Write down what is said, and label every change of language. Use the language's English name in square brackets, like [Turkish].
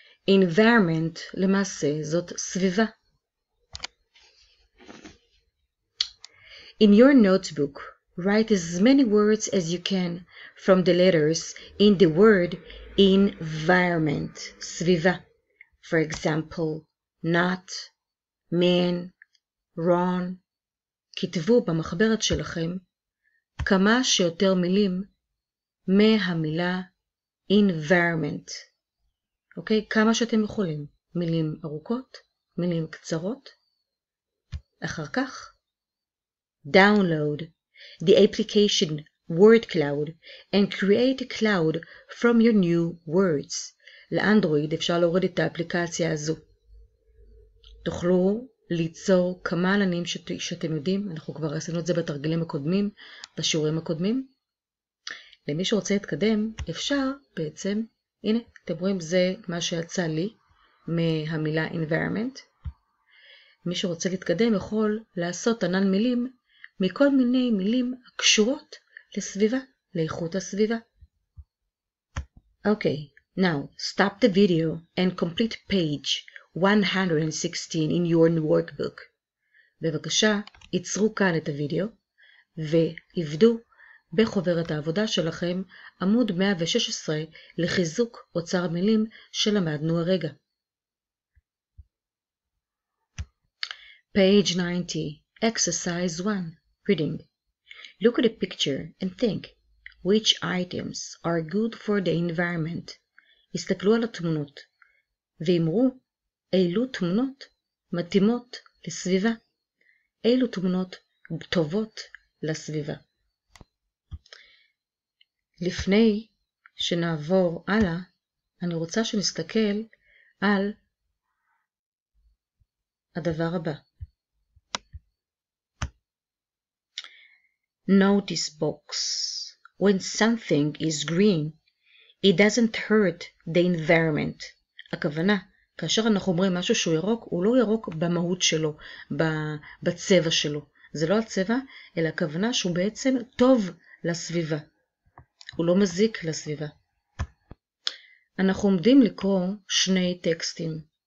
[Hebrew] Environment, למעשה זאת סביבה. [English] In your notebook, write as many words as you can from the letters in the word environment, [Hebrew] סביבה. [English] For example, not, man, run. [Hebrew] כתבו במחברת שלכם כמה שיותר מילים מהמילה environment. אוקיי? כמה שאתם יכולים. מילים ארוכות, מילים קצרות. אחר כך, [English] download the application Word Cloud and create a cloud from your new words. [Hebrew] לאנדרואיד אפשר להוריד את האפליקציה הזו. תוכלו ליצור כמה עננים שאתם יודעים, אנחנו כבר עשינו את זה בתרגילים הקודמים, בשיעורים הקודמים. למי שרוצה להתקדם, אפשר בעצם, הנה, אתם רואים, זה מה שיצא לי מהמילה environment. מי שרוצה להתקדם יכול לעשות ענן מילים מכל מיני מילים הקשורות לסביבה, לאיכות הסביבה. [English] Okay, now stop the video and complete page 116 in your workbook. [Hebrew] בבקשה, ייצרו כאן את הוידאו ועבדו בחוברת העבודה שלכם עמוד 116 לחיזוק אוצר מילים שלמדנו הרגע. [English] Page 90, exercise 1, reading. Look at a picture and think which items are good for the environment. [Hebrew] הסתכלו על התמונות ואמרו אילו תמונות מתאימות לסביבה. אילו תמונות טובות לסביבה. לפני שנעבור הלאה, אני רוצה שנסתכל על הדבר הבא. [English] Notice box. When something is green, it doesn't hurt the environment. [Hebrew] הכוונה, כאשר אנחנו אומרים משהו שהוא ירוק, הוא לא ירוק במהות שלו, בצבע שלו. זה לא הצבע, אלא הכוונה שהוא בעצם טוב לסביבה. הוא לא מזיק לסביבה. אנחנו עומדים לקרוא שני טקסטים.